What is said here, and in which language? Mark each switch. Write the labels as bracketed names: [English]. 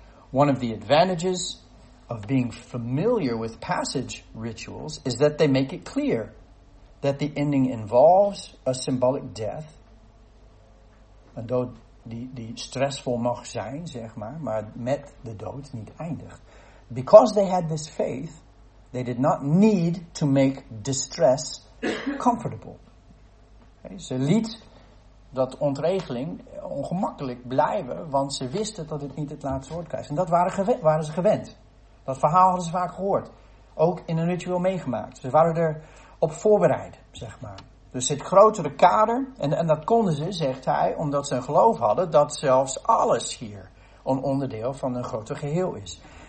[English] One of the advantages of being familiar with passage rituals is that they make it clear that the ending involves a symbolic death, [Dutch] een dood die stressvol mag zijn, zeg maar met de dood niet eindigt. [English] Because they had this faith, they did not need to make distress comfortable. [Dutch] Okay, ze liet dat ontregeling ongemakkelijk blijven, want ze wisten dat het niet het laatste woord krijgt. En dat waren ze gewend. Dat verhaal hadden ze vaak gehoord. Ook in een ritueel meegemaakt. Ze waren er op voorbereid, zeg maar. Dus het grotere kader, en dat konden ze, zegt hij, omdat ze een geloof hadden dat zelfs alles hier een onderdeel van een groter geheel is.